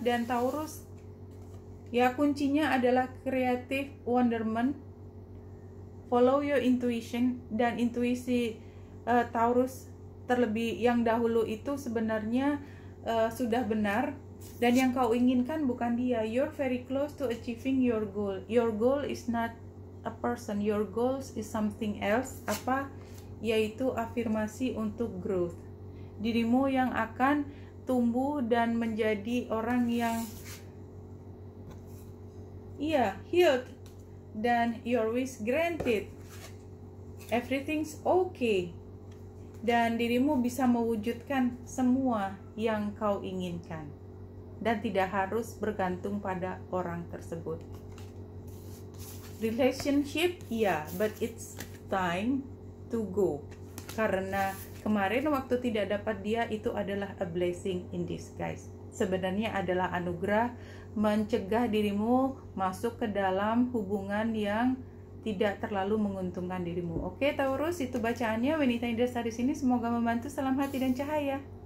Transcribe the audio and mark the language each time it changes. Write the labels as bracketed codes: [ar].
[id] Dan Taurus, ya, kuncinya adalah [en] creative wonderment. Follow your intuition. [id] Dan intuisi Taurus terlebih yang dahulu itu sebenarnya sudah benar. Dan yang kau inginkan bukan dia. [en] You're very close to achieving your goal. Your goal is not a person. Your goals is something else. [id] Apa? Yaitu afirmasi untuk growth. Dirimu yang akan tumbuh dan menjadi orang yang, iya, healed. Dan [en] your wish granted. Everything's okay. [id] Dan dirimu bisa mewujudkan semua yang kau inginkan. Dan tidak harus bergantung pada orang tersebut. [en] Relationship, ya, but it's time to go. [id] Karena kemarin waktu tidak dapat dia, itu adalah [en] a blessing in disguise. [id] Sebenarnya adalah anugerah, mencegah dirimu masuk ke dalam hubungan yang tidak terlalu menguntungkan dirimu. Oke, Taurus, itu bacaannya. Wanita Indah di sini, semoga membantu. Salam hati dan cahaya.